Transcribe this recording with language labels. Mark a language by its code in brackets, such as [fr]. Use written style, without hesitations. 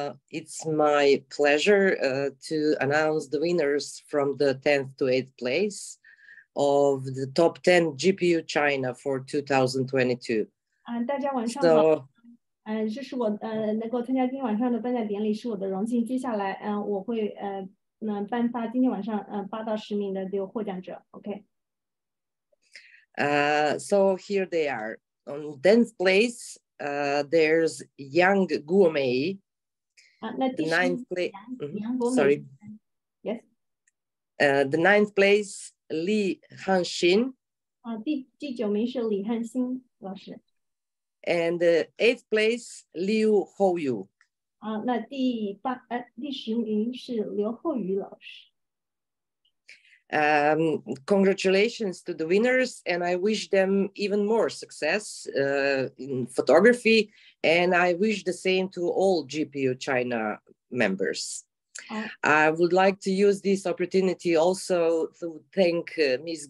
[en] It's my pleasure to announce the winners from the 10th to 8th place of the top 10 GPU China for 2022. [zh] 大家晚上好。这是我能够参加今天晚上的颁奖典礼，是我的荣幸。接下来，我会颁发今天晚上八到十名的这个获奖者。 OK。 [en] So here they are. On tenth place, there's Yang Guomei. [zh] 那第十名。 [en] Ninth place. Yang Guomei. Sorry. Yes. The ninth place, Li Hanxin. [zh] 第九名是李汉新老师。 [en] And eighth place, Liu Houyu. [zh] 那第十名是刘厚宇老师。 [en] Congratulations to the winners, and I wish them even more success in photography, and I wish the same to all GPU China members. I would like to use this opportunity also to thank Ms.